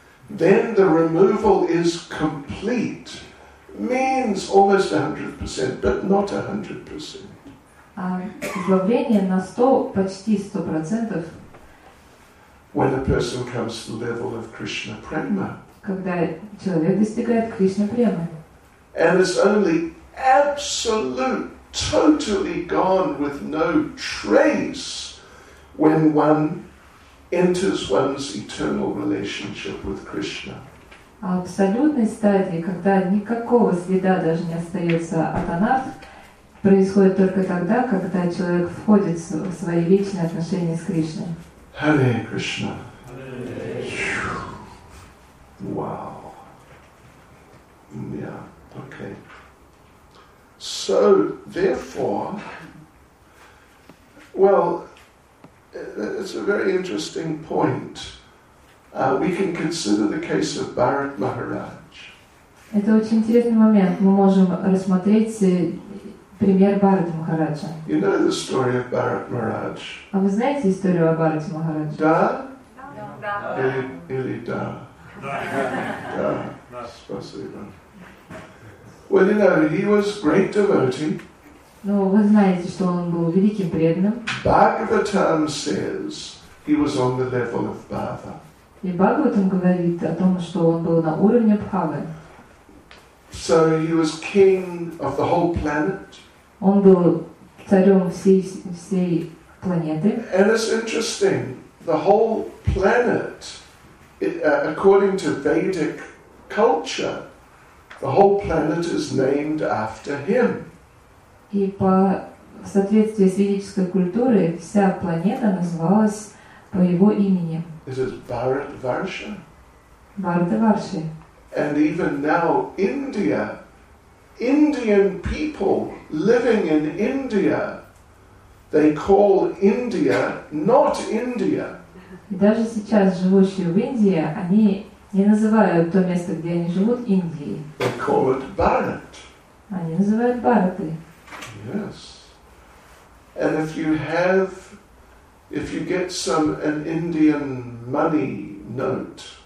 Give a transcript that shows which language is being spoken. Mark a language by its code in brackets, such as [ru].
[en] Then the removal is complete, means almost 100%, but not 100%. [ru] А избавление на 100, почти 100%. [en] When a person comes to the level of Krishna prema. [ru] Когда человек достигает Кришна премы. [en] And it's only absolute, totally gone with no trace when one enters one's eternal relationship with Krishna. [ru] А в абсолютной стадии, когда никакого следа даже не остается от анат, происходит только тогда, когда человек входит в свои вечные отношения с Кришной. [en] Hare Krishna. Wow. Yeah, okay. So, therefore, well, it's a very interesting point. We can consider the case of Bharat Maharaj. [ru] Это очень интересный момент. Мы можем рассмотреть пример Бхарата Махараджа. [en] You know the story of Bharat Maharaj? [ru] А вы знаете историю о Бхарате Махарадже? Да? Да. Или да? Да. Да. Спасибо. [en] Well, you know, he was great devotee. [ru] Ну, вы знаете, что он был великим преданным. [en] Bhagavatam says he was on the level of bhava. [ru] И Бхагаватам говорит о том, что он был на уровне бхавы. [en] So he was king of the whole planet. [ru] Он был царем всей планеты. [en] And it's interesting, the whole planet, according to Vedic culture, the whole planet is named after him. [ru] И по соответствии с ведической культурой вся планета называлась по его имени. [en] It is Bharat Varsha. Bharatvarsha. And even now, India, Indian people living in India, they call India not India. [ru] И даже сейчас живущие в Индии, они не называют то место, где они живут, Индией. [en] They call it Bharat. [ru] Они называют Бхараты. [en] Yes. And if you have, if you get some an Indian money note.